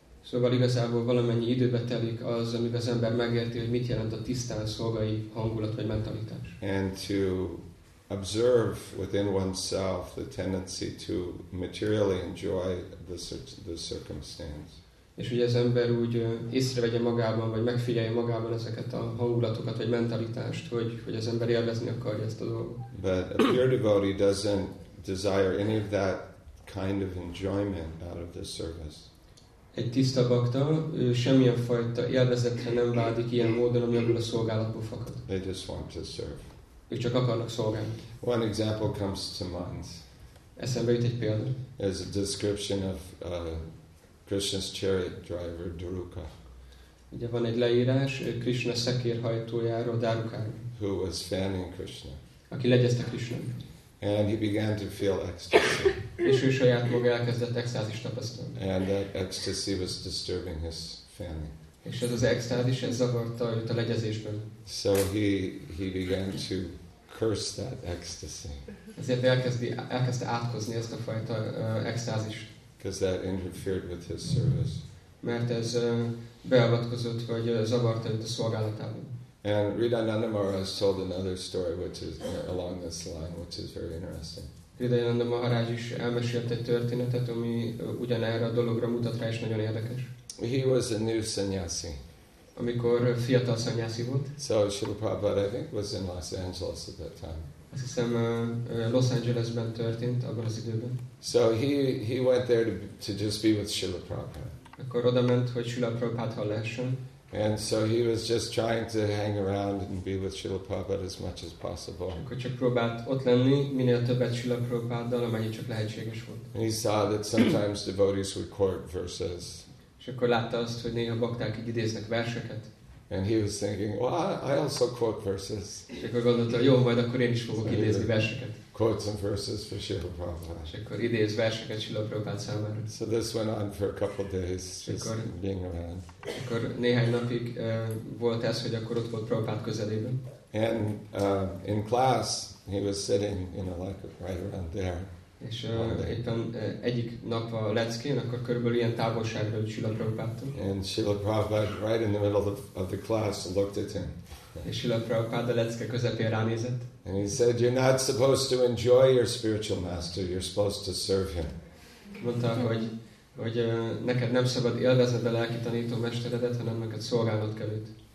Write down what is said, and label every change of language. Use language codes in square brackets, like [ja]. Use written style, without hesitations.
[hu] Szóval igazából valamennyi időbe telik az, amíg az ember megérti, hogy mit jelent a tisztán szolgai hangulat vagy mentalitás. [en] And to observe within oneself the tendency to materially enjoy the circumstance. [hu] És hogy az ember úgy észrevegye magában, vagy megfigyelje magában ezeket a hangulatokat, vagy mentalitást, hogy az ember élvezni akarja ezt a dolgot. [en] But a pure devotee doesn't desire any of that kind of enjoyment out of the service. [hu] Egy tiszta bakta semmilyen fajta élvezetre nem vágyik ilyen módon, ami abból a szolgálatból fakad. [en] They just want to serve. [hu] Ők csak akarnak szolgálni. [en] One example comes to mind. [hu] Eszembe jut egy példa. [en] There's a description of Krishna's chariot driver, Daruka. [hu] Ugye van egy leírás Krishna szekérhajtójáról, Darukáról. [en] Who was fanning Krishna. [hu] Aki legyezte Krishna. [en] And he began to feel ecstasy. [hu] És ő saját maga elkezdett extázist tapasztalni. [en] And that ecstasy was disturbing his family. [hu] És ez az extázis, ez zavarta őt a legyezésben. [en] So he began to curse that ecstasy. [hu] Ezért elkezdte átkozni ezt a fajta extázist. [en] Because that interfered with his service. [hu] Mert ez beavatkozott, vagy zavarta őt a szolgálatában. [en] And Rida Nandamara has told another story which is along this line, which is very interesting. [hu] Rida Nandamara is elmesélt egy történetet, ami ugyanerre a dologra mutat rá, és nagyon érdekes. [en] He was a new sannyasi. [hu] Amikor fiatal sannyasi volt. [en] So Srila Prabhupada, I think, was in Los Angeles at that time. [hu] Azt hiszem, Los Angelesben történt abban az időben. [en] So he went there to just be with Srila Prabhupada. [hu] Akkor oda ment, hogy Srila Prabhupada lehessen. [en] And so he was just trying to hang around and be with Srila Prabhupada as much as possible. [hu] Akkor csak próbált ott lenni, minél többet Srila Prabhupáddal, amennyi csak lehetséges volt. [en] And he saw that sometimes devotees would quote verses. [hu] És akkor látta azt, hogy néha bakták így idéznek verseket. [en] And he was thinking, I also quote verses. [hu] És akkor gondolta, jó, majd akkor én is fogok idézni verseket. [en] Quote some verses for Srila Prabhupada. [hu] És akkor idéz verseket Srila Prabhupád számára. [en] So this went on for a couple of days, just being around. [hu] Akkor néhány napig volt ez, hogy akkor ott volt Prabhupád közelében. [en] And in class, he was sitting, you know, like right around there. [hu] És éppen egyik nap a leckén, akkor körülbelül ilyen távolságra ült Srila Prabhupádtól. [en] And Srila Prabhupád right in the middle of the class looked at him. [hu] És Srila Prabhupád a lecke közepén ránézett. [en] And he said, you're not supposed to enjoy your spiritual master, you're supposed to serve him. [hu] Mondta, hogy neked nem szabad élvezned a lelki tanító mesteredet, hanem neked szolgálnod kell őt.